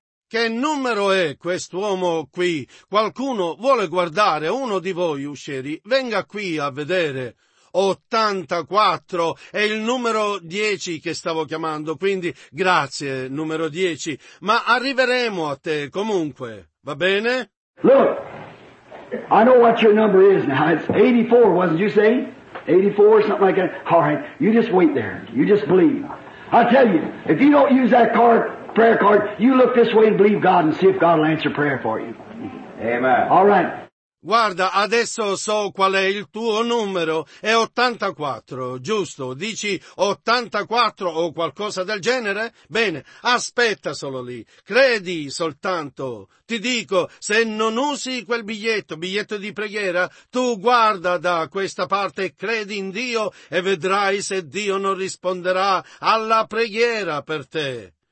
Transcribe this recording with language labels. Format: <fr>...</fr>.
<it>Che numero è quest'uomo qui? Qualcuno vuole guardare? Uno di voi uscieri? Venga qui a vedere. 84 è il numero 10 che stavo chiamando, quindi grazie numero 10, ma arriveremo a te comunque, va bene?</it> <en>Look, I know what your number is now. It's 84, wasn't you say? 84, something like that. All right, you just wait there. You just believe. I tell you, if you don't use that card, prayer card, you look this way and believe God and see if God will answer prayer for you. Amen. All right.</en> <it>Guarda, adesso so qual è il tuo numero, è 84, giusto? Dici 84 o qualcosa del genere? Bene, aspetta solo lì, credi soltanto. Ti dico, se non usi quel biglietto di preghiera, tu guarda da questa parte e credi in Dio e vedrai se Dio non risponderà alla preghiera per te.</it>